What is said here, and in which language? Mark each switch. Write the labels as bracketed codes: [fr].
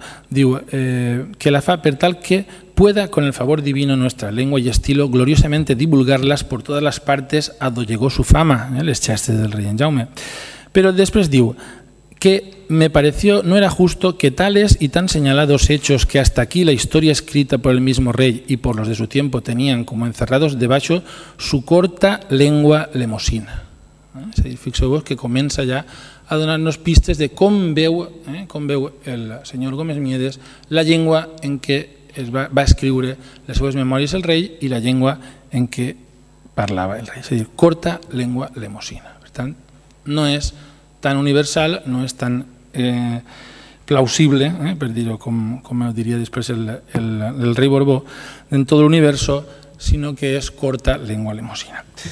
[ca] diu que la fa per tal que [es] pueda con el favor divino nuestra lengua y estilo gloriosamente divulgarlas por todas las partes a do llegó su fama, les chastes del rey en Jaume. Pero después [ca] diu que [es] me pareció no era justo que tales y tan señalados hechos que hasta aquí la historia escrita por el mismo rey y por los de su tiempo tenían como encerrados debajo su corta lengua lemosina. [ca] Fixeu-vos que comença ja a donar-nos pistes de com veu, com veu el senyor Gómez Mieres la llengua en què es va escriure les seves memòries el rei i la llengua en què parlava el rei, és a dir, corta llengua lemosina. Per tant, no és tan universal, no és tan plausible, per dir-ho com ho diria després el rei Borbó, en tot l'universo, sinó que és corta llengua lemosina.